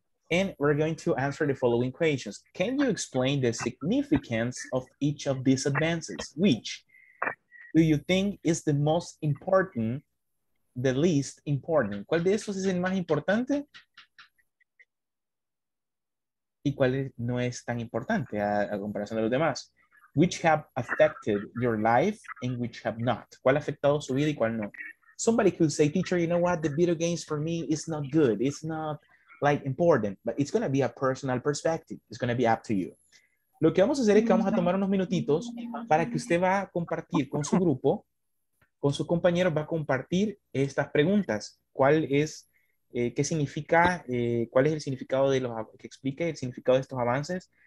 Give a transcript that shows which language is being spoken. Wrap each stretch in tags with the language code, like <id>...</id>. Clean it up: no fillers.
<en>And we're going to answer the following questions. Can you explain the significance of each of these advances? Which do you think is the most important, the least important?</en> <es>¿Cuál de estos es el más importante? ¿Y cuál no es tan importante a comparación de los demás?</es> <en>Which have affected your life and which have not?</en> <es>¿Cuál ha afectado su vida y cuál no?</es> <en>Somebody could say, teacher, you know what? The video games for me is not good. It's not like important, but it's going to be a personal perspective. It's going to be up to you.</en> <es>Lo que vamos a hacer es que vamos a tomar unos minutitos para que usted va a compartir con su grupo, con sus compañeros, va a compartir estas preguntas. ¿Cuál es, qué significa, cuál es el significado de los, que explique el significado de estos avances?</es>